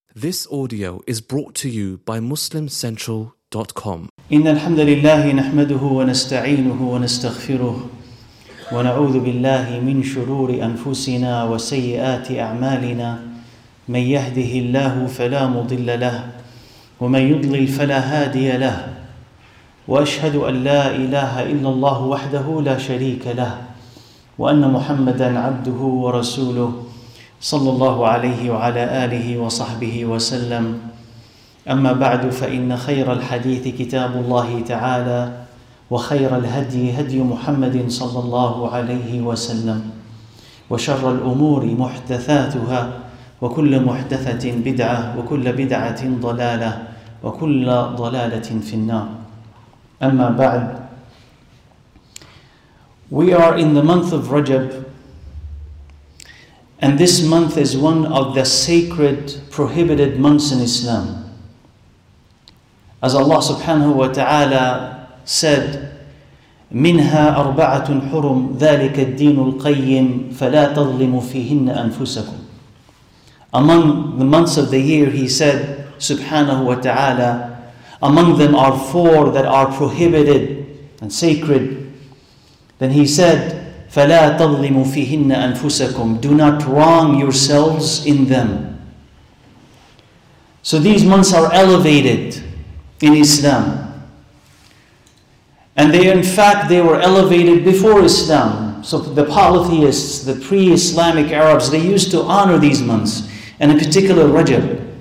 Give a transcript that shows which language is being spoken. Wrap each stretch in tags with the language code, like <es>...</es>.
<en>This audio is brought to you by MuslimCentral.com.</en> <ar>إن الحمد لله نحمده ونستعينه ونستغفره ونعوذ بالله من شرور أنفسنا وسيئات أعمالنا من يهده الله فلا مضل له ومن يضلل فلا هادي له وأشهد أن لا إله إلا الله وحده لا شريك له وأن محمدا عبده ورسوله صلى الله عليه وعلى آله وصحبه وسلم أما بعد فإن خير الحديث كتاب الله تعالى وخير الهدي هدي محمد صلى الله عليه وسلم وشر الأمور محدثاتها وكل محدثة بدعة وكل بدعة ضلالة وكل ضلالة في النار أما بعد.</ar> <en>We are in the month of Rajab, and this month is one of the sacred prohibited months in Islam. As Allah subhanahu wa ta'ala said,</en> <ar>مِنْهَا أَرْبَعَةٌ حُرُمْ ذَلِكَ الدِّينُ الْقَيِّمْ فَلَا تَظْلِمُ فِيهِنَّ أَنفُسَكُمْ.</ar> <en>Among the months of the year, he said, subhanahu wa ta'ala, among them are four that are prohibited and sacred. Then he said,</en> <ar>فَلَا تَظْلِمُ فِيهِنَّ أَنفُسَكُمْ.</ar> <en>Do not wrong yourselves in them. So these months are elevated in Islam. And they were elevated before Islam. So the polytheists, the pre-Islamic Arabs, they used to honor these months, and in particular Rajab.</en>